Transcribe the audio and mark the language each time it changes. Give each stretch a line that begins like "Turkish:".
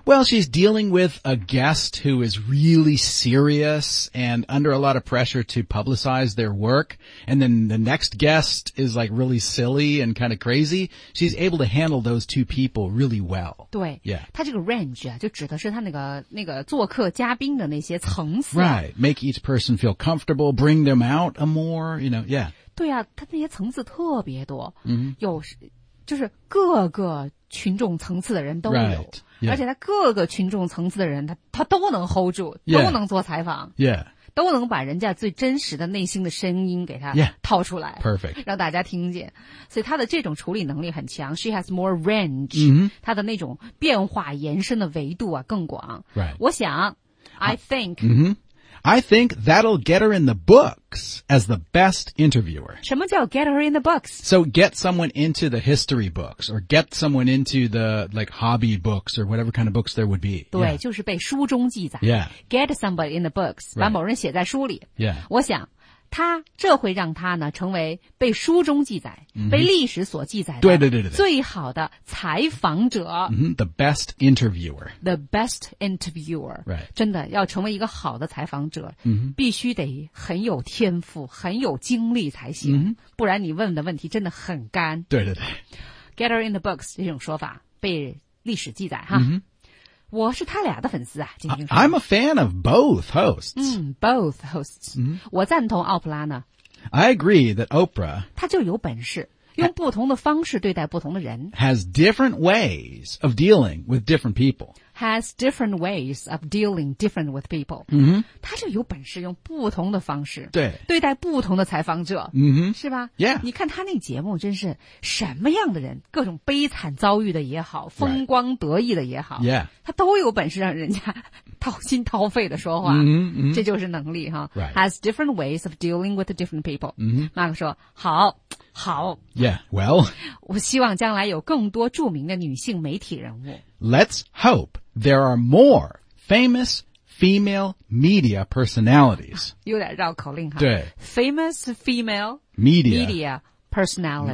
English: Well, she's dealing with a guest who is really serious and under a lot of pressure to publicize their work. And then the next guest is like really silly and kind of crazy. She's able to handle those two people really well.
Chinese: 对。
English: Yeah.
Chinese: 她这个 range 啊就指的是她那个做客嘉宾的那些层次。
English: Right. Make each person feel comfortable, bring them out a more, you know, yeah.
Chinese: 对啊他那些层次特别多、 mm-hmm. 有就是各个群众层次的人都有、
English: right. yeah.
Chinese: 而且他各个群众层次的人他都能 hold 住都能做采访
English: yeah. Yeah.
Chinese: 都能把人家最真实的内心的声音给他套出来
English: yeah. Perfect.
Chinese: 让大家听见所以他的这种处理能力很强
English: She has more range、 mm-hmm.
Chinese: 他的那种变化延伸的维度啊更广、
English: right.
Chinese: 我想 I think、 mm-hmm.
English: I think that'll get her in the books as the best interviewer.
Chinese: 什么叫
English: get her in the books? So get someone into the history books or get someone into the like hobby books or whatever kind of books there would be.
Chinese: 对、
English: yeah.
Chinese: 就是被书中记载。
English: Yeah. Get somebody in the books,、 right.
Chinese: 把某人写在书里。
English: Yeah.
Chinese: 我想他这会让他呢成为被书中记载、 mm-hmm. 被历史所记载的对对对对最好的采访者、
English: mm-hmm. The best interviewer The best interviewer、 right.
Chinese: 真的要成为一个好的采访者、 mm-hmm. 必须得很有天赋很有精力才行、 mm-hmm. 不然你问的问题真的很干对对对
English: Get her in the books
Chinese: 这种说法被历史记载哈、 mm-hmm. 我是他俩的粉丝啊金
English: 星 I'm a fan of both hosts、 mm, Both hosts、 mm-hmm.
Chinese: 我赞同奥普拉呢
English: I agree that Oprah
Chinese: 他就有本事用不同的方式对待不同的人
English: Has different ways of dealing with different people Has different ways of dealing different with people、 mm-hmm.
Chinese: 他就有本事用不同的方式对对待不同的采访者、 mm-hmm. 是吧
English: Yeah
Chinese: 你看他那节目真是什么样的人各种悲惨遭遇的也好风光得意的也好
English: Yeah、right.
Chinese: 他都有本事让人家掏心掏肺的说话、 mm-hmm. 这就是能力哈、
English: right. Has different ways of dealing with different people、 mm-hmm.
Chinese: 马克说好好
English: Yeah, well
Chinese: 我希望将来有更多著名的女性媒体人物
English: Let's hopeThere are more famous female media personalities.
Chinese: 有点绕口令哈。对。
English: Famous female media personality.